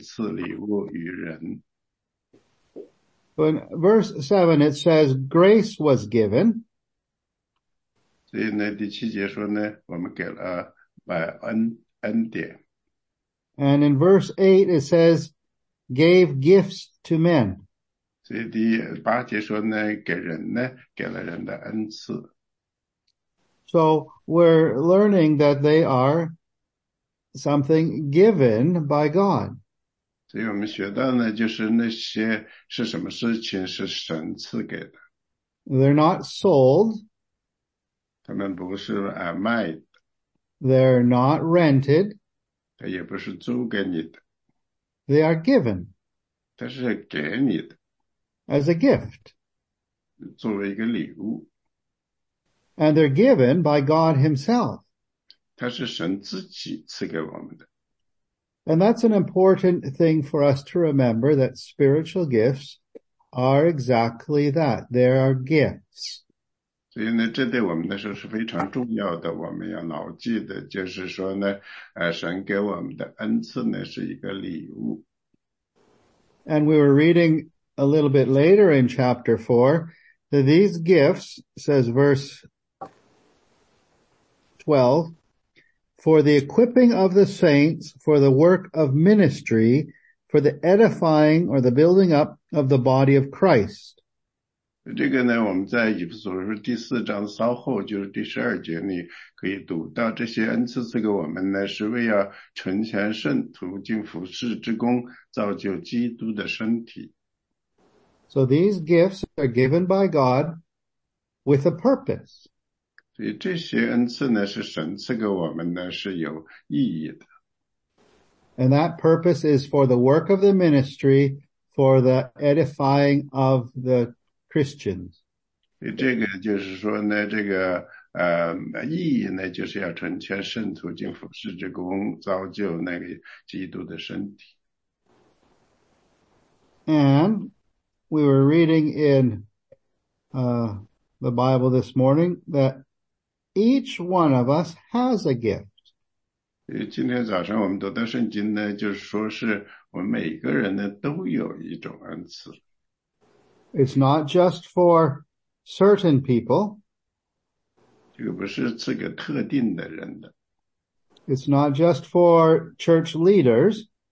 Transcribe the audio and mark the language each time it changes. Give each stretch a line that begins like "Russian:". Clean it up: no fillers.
Chinese: 这个第7节、第8节刚才读的以弗所书第4章，说我们个人蒙恩，都是照着基督所量给个人的恩赐。所以经上说，他领着主或者俘虏身上的膏天，便赐礼物与人。
English: In verse 7, it says, grace was given.
Chinese: 所以呢，第7节说呢，我们给了恩典。
English: And in verse 8, it says, gave gifts to men.
Chinese: 所以第8节说呢，给人呢，给了人的恩赐。
English: So we're learning that they are something given by God.
Chinese: 所以我们学到呢，就是那些是什么事情是神赐给的。
English: They're not sold.
Chinese: 他们不是卖的。
English: They're not rented.
Chinese: 他也不是租给你的。
English: They are given
Chinese: 他是给你的，
English: as a gift.
Chinese: 作为一个礼物，
English: And they're given by God himself.
Chinese: 他是神自己赐给我们的。
English: And that's an important thing for us to remember, that spiritual gifts are exactly that. They are gifts.
Chinese: 所以呢，这对我们来说是非常重要的。我们要牢记的，就是说呢，神给我们的恩赐呢，是一个礼物。
English: And we were reading a little bit later in chapter 4 that these gifts, says verse 12, for the equipping of the saints, for the work of ministry, for the edifying or the building up of the body of Christ.
Chinese: 这个呢，我们在以弗所书第4章稍后，就是第12节，你可以读到这些恩赐赐给我们呢，是为要成全圣徒，尽服事之功，造就基督的身体。
English: So these gifts are given by God with a purpose.
Chinese: 所以这些恩赐呢，是神赐给我们呢，是有意义的。
English: And that purpose is for the work of the ministry, for the edifying of the Christians.
Chinese: 这个就是说呢，这个意义呢，就是要成全圣徒，尽服事之功，造就那个基督的身体。
English: And we were reading in the Bible this morning that each one of us has a gift.
Chinese: 今天早上我们读的圣经呢，就是说是我们每个人呢都有一种恩赐。
English: It's not just for certain people.
Chinese: 这个不是赐给特定的人的。
English: It's not just for church leaders.